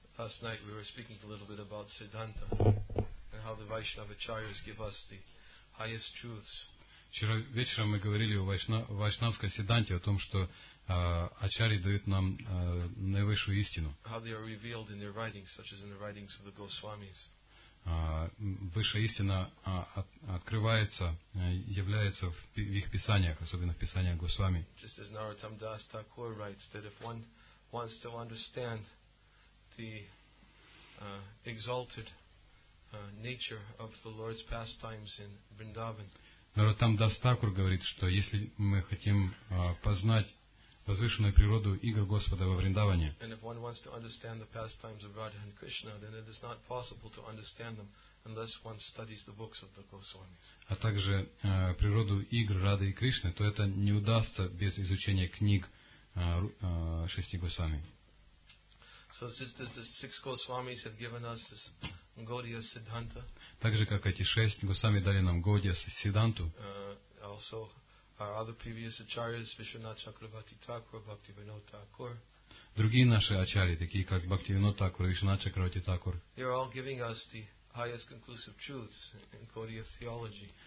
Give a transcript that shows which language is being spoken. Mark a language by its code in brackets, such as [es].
[en] Last night we were speaking a little bit about Siddhanta and how the Vaishnava Acharyas give us the highest truths. [ru] Вчера вечером мы говорили о вайшнавской сиддханте, о том, что ачарьи дают нам наивысшую истину. [en] How they are revealed in their writings, such as in the writings of the Goswamis. [ru] Высшая истина открывается, является в их писаниях, особенно в писаниях Госвами. [en] Just as Narottam Das Thakur writes that if one wants to understand the exalted nature of the Lord's pastimes in Vrindavan. [ru] Narottam Das Thakur говорит, что если мы хотим познать возвышенную природу игр Господа во Вриндаване. [en] And if one wants to understand the pastimes of Radha and Krishna, then it is not possible to understand them unless one studies the books of the Goswamis. [ru] А также природу игр Рады и Кришны, то это не удастся без изучения книг шести Госвами. [en] So just as the six Goswamis have given us this Gaudiya Siddhanta. [ru] Также как эти шесть Госвами дали нам Гаудия Сиддханту. [en] Also our other previous acharyas, Vishwanath Chakravarti Thakur, Bhakti Vinod Thakur. [ru] Другие наши ачарьи, такие как Бхакти Винод Такур, Вишванат Чакравати Такур. [en] They are all giving us the highest conclusive truths in Gaudiya theology.